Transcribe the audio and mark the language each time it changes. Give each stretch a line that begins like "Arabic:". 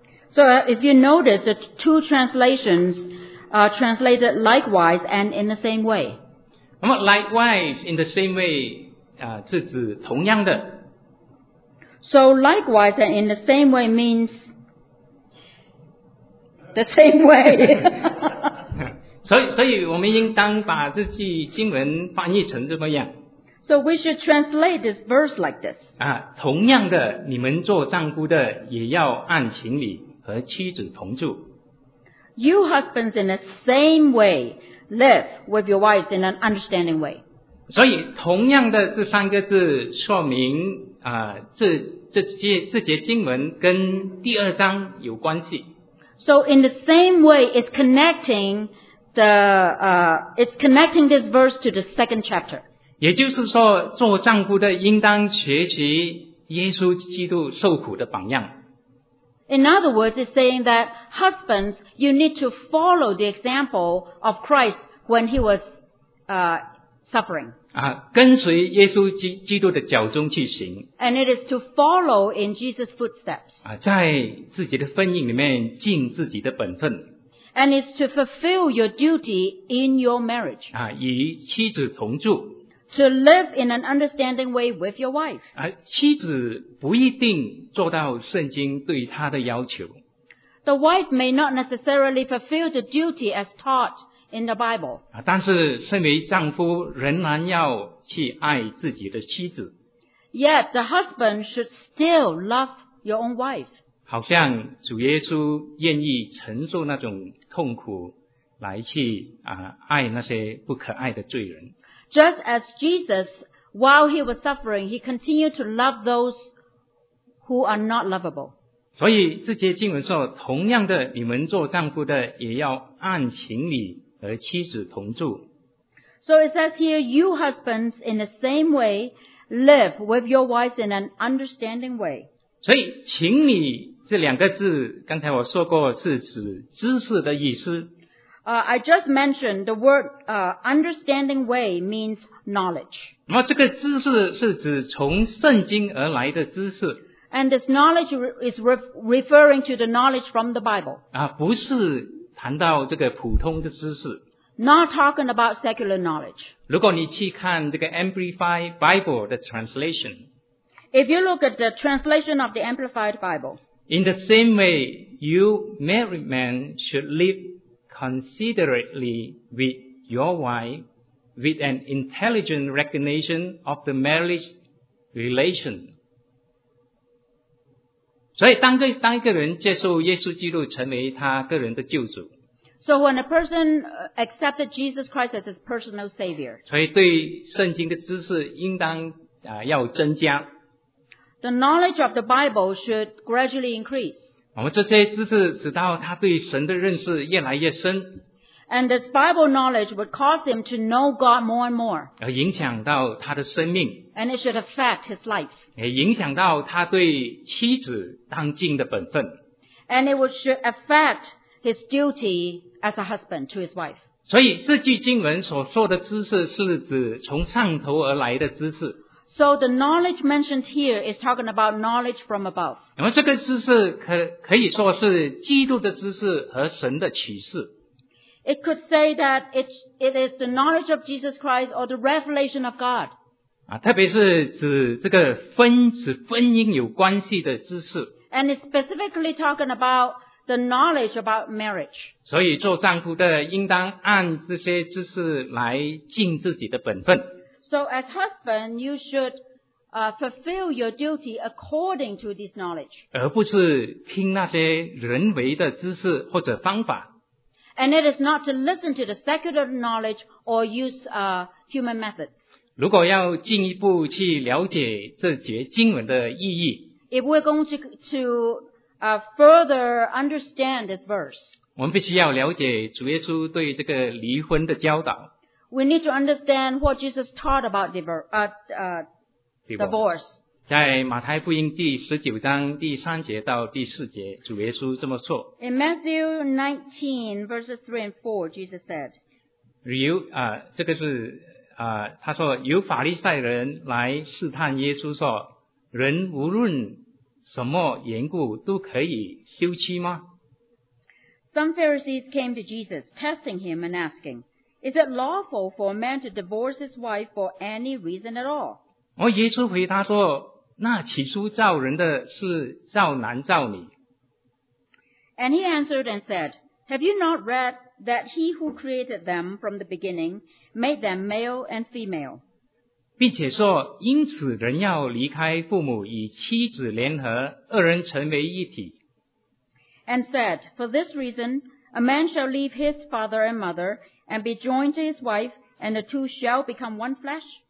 English: So if you notice the two translations are translated likewise and in the same way
Chinese: 那么
English: likewise in the same way
Chinese: 是指同样的
English: So likewise and in the same way means the same way
Chinese: 所以我们应当把这句经文翻译成怎么样
English: So we should translate this verse like this.
Chinese: 同样的你们做丈夫的也要按情理和妻子同住。
English: You husbands in the same way live with your wives in an understanding way.
Chinese: 所以同样的这三个字说明这节经文跟第二章有关系。
English: So in the same way it's connecting it's connecting this verse to the second chapter.
Chinese: 也就是说，做丈夫的应当学习耶稣基督受苦的榜样。
English: In other words, it's saying that husbands, you need to follow the example of Christ when he was suffering.
Chinese: 跟随耶稣基督的脚踪去行。
English: And it is to follow in Jesus' footsteps.
Chinese: 在自己的婚姻里面尽自己的本分。
English: And it's to fulfill your duty in your marriage.
Chinese: 与妻子同住。
English: to live in an understanding way with your wife.
Chinese: 妻子不一定做到圣经对她的要求。
English: The wife may not necessarily fulfill the duty as taught in the Bible.
Chinese: 但是身为丈夫仍然要去爱自己的妻子。
English: Yet the husband should still love your own wife.
Chinese: 好像主耶稣愿意承受那种痛苦来去爱那些不可爱的罪人。
English: Just as Jesus, while he was suffering, he continued to love those who are not lovable.
Chinese: 所以这节经文说，同样的，你们做丈夫的也要按情理和妻子同住。
English: So it says here, you husbands, in the same way, live with your wives in an understanding way.
Chinese: 所以情理这两个字，刚才我说过是指知识的意思。
English: I just mentioned the word understanding way means knowledge.
Chinese: 那么这个知识是指从圣经而来的知识。
English: And this knowledge is referring to the knowledge from the Bible.
Chinese: 不是谈到这个普通的知识。
English: Not talking about secular knowledge.
Chinese: 如果你去看这个 Amplified Bible 的 translation.
English: If you look at the translation of the Amplified Bible. In the same way, you married men should live considerately with your wife with an intelligent recognition of the marriage relation.
Chinese: 所以当一个人接受耶稣基督成为他个人的救主。
English: So when a person accepted Jesus Christ as his personal savior.
Chinese: 所以对圣经的知识应当要增加。
English: The knowledge of the Bible should gradually increase.
Chinese: 我们这些知识使到他对神的认识越来越深。
English: And this Bible knowledge would cause him to know God more and more.
Chinese: 而影响到他的生命。
English: And it should affect his life.
Chinese: 也影响到他对妻子当尽的本分。
English: And it should affect his duty as a husband to his wife.
Chinese: 所以这句经文所说的知识是指从上头而来的知识。
English: So the knowledge mentioned here is talking about knowledge from above.
Chinese: 那么这个知识可以说是基督的知识和神的启示。
English: It could say that it is the knowledge of Jesus Christ or the revelation of God.
Chinese: 特别是指这个指婚姻有关系的知识。
English: And it's specifically talking about the knowledge about marriage.
Chinese: 所以做丈夫的应当按这些知识来尽自己的本分。
English: So as husband, you should fulfill your duty according to this knowledge.
Chinese: 而不是听那些人为的知识或者方法。
English: And it is not to listen to the secular knowledge or use human methods.
Chinese: 如果要进一步去了解这节经文的意义。
English: If we're going to further understand this verse.
Chinese: 我们必须要了解主耶稣对这个离婚的教导。
English: We need to understand what Jesus taught about divorce.
Chinese: 在马太福音第十九章第三节到第四节，主耶稣这么说。
English: In Matthew 19 verses 3 and 4, Jesus said,
Chinese: 他说有法利赛人来试探耶稣说，人无论什么缘故都可以休妻吗？
English: Some Pharisees came to Jesus, testing him and asking,Is it lawful for a man to divorce his wife for any reason at all?
Chinese: 耶稣回答说，那起初造人的是造男造女。
English: And he answered and said, Have you not read that he who created them from the beginning made them male and female?
Chinese: 并且说，因此人要离开父母，与妻子联合，二人成为一体。
English: And said, For this reason, a man shall leave his father and mother,And be joined to his wife, and the two shall become one flesh.